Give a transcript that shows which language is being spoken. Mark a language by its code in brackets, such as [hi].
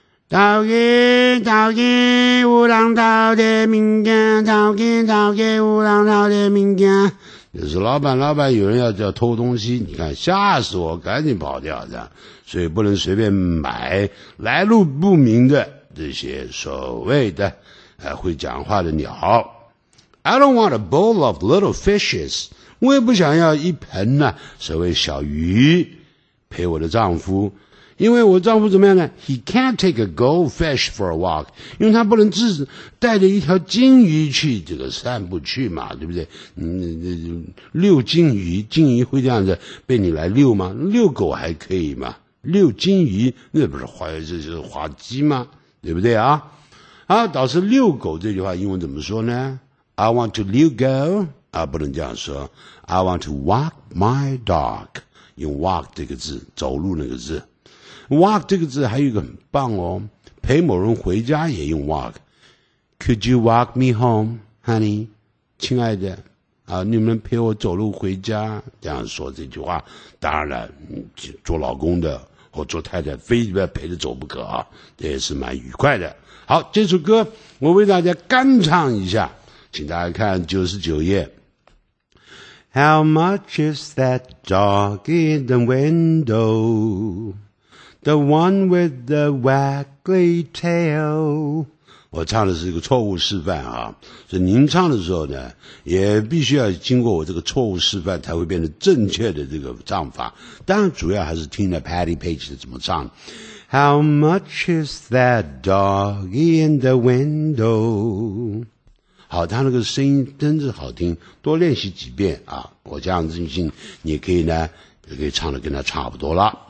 [zh] 头去头去有人偷的物件，头去头去有人偷的物件。也是老板，老板有人要偷东西，你看吓死我，赶紧跑掉的。所以不能随便买来路不明的这些所谓的会讲话的鸟。 [en] I don't want a bowl of little fishes. [zh] 我也不想要一盆呢所谓小鱼陪我的丈夫。因为我丈夫怎么样呢 [en] ?He can't take a goldfish for a walk. [zh] 因为他不能自带着一条金鱼去这个散步去嘛，对不对？遛金鱼，金鱼会这样子被你来遛吗？遛狗还可以吗？遛金鱼那不是滑，这是滑稽吗？对不对啊？啊，导师，遛狗这句话英文怎么说呢？ [en] I want to [zh] 遛狗啊，不能这样说。 [en] I want to walk my dog. [zh] 用 walk 这个字，走路那个字。Walk 这个字还有一个很棒哦，陪某人回家也用 walk。 [en] Could you walk me home, honey? [zh] 亲爱的啊，你们陪我走路回家，这样说这句话。当然了，做老公的或做太太，非得陪着走不可啊，这也是蛮愉快的。好，这首歌我为大家干唱一下。请大家看99页。 [en] How much is that dog in the window? The one with the waggly tail. [zh] 我唱的是一个错误示范啊，所以您唱的时候呢，也必须要经过我这个错误示范，才会变得正确的这个唱法。当然，主要还是听了 Patty Page 的怎么唱。 [en] How much is that dog in the window? [zh] 好，他那个声音真是好听，多练习几遍啊！我这样子你也可以呢，也可以唱的跟他差不多了。